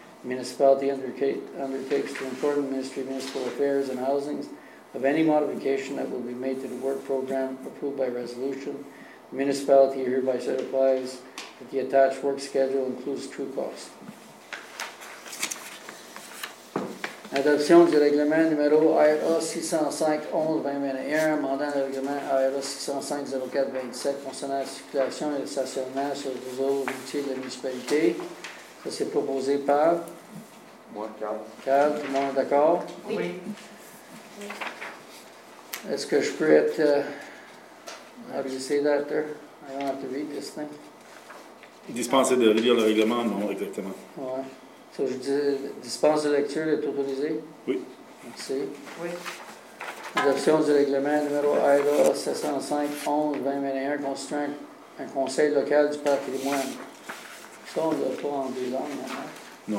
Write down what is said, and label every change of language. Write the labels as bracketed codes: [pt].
[en] The municipality undertakes to inform the Ministry of Municipal Affairs and Housing of any modification that will be made to the work program approved by resolution. The municipality hereby certifies that the attached work schedule includes true cost. [fr] Adoption du règlement numéro ARA 605-11-2021, amendant le règlement ARA 605-04-27 concernant la circulation et le stationnement sur les réseaux routiers de la municipalité. Ça, c'est proposé par? Moi, Carl. Carl, tout le monde est d'accord? Oui. Est-ce que je peux être. [en] How do you say that there? I don't have to read this thing. [fr] Dispenser de lire le règlement, non, exactement. Oui. So, je dis, dispense de lecture est autorisée? Oui. Merci. Oui. Adoption du règlement numéro ARA 605-11-2021 constituant un conseil local du patrimoine. Ça, on ne l'a pas en deux ans, non?